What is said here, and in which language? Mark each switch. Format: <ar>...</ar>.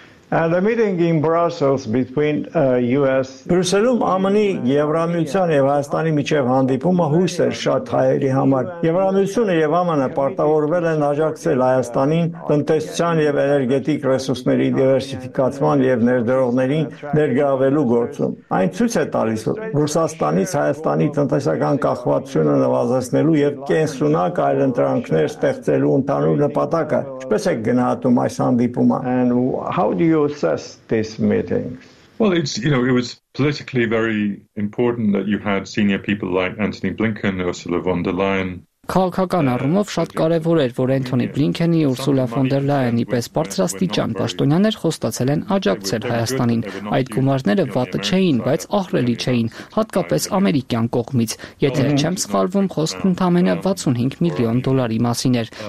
<en>The meeting in Brussels between US</en> <hy>Brussels-ում ԱՄՆ-ի Եվրամիության եւ Հայաստանի միջև հանդիպումը հույս էր շատ հայերի համար։ Եվրամիությունը եւ ԱՄՆ-ը պարտավորվել են աջակցել Հայաստանին տնտեսության եւ էներգետիկ ռեսուրսների դիվերսիֆիկացման եւ ներդրողներին ներգրավելու գործում։ Այն ցույց է տալիս, որ Ռուսաստանից Հայաստանի տնտեսական կախվածությունը նվազեցնելու եւ կենսունակ այլընտրանքներ ստեղծելու ընդհանուր նպատակը։ Ինչպես է գնահատում այս հանդիպումը։</hy> <en>You assess this meeting? Well, it's, you know, it was politically very important that you had senior people like Antony Blinken or Ursula von der Leyen.</en> <hy>Քաղաքական առումով շատ կարևոր էր, որ Էնթոնի Բլինքենի ու Ուրսուլա ֆոն դեր Լայենի պես բարձրաստիճան պաշտոնյաներ խոստացել են աջակցել Հայաստանին։ Այդ գումարները վատը չէին, բայց ահռելի չէին, հատկապես ամերիկյան կողմից։ Եթե չեմ սխալվում, խոսքը ընդամենը 65 միլիոն դոլարի մասին էր,</hy>